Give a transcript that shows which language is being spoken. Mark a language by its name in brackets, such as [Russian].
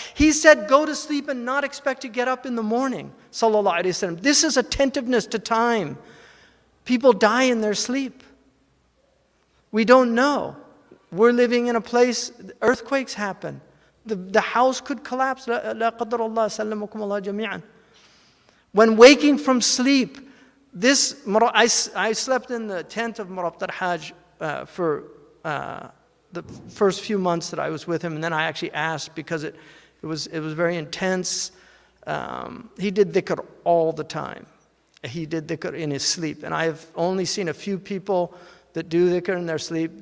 [English] He said, go to sleep and not expect to get up in the morning, sallallahu alayhi wa sallam. This is attentiveness to time. People die in their sleep. We don't know. We're living in a place, earthquakes happen. The house could collapse. [Arabic] لَا قَدْرَ اللَّهِ سَلَّمُكُمْ اللَّهِ جَمِيعًا. [English] When waking from sleep, This, I slept in the tent of Murabtar Hajj for the first few months that I was with him, and then I actually asked because it was very intense. He did dhikr all the time. He did dhikr in his sleep, and I have only seen a few people that do dhikr in their sleep.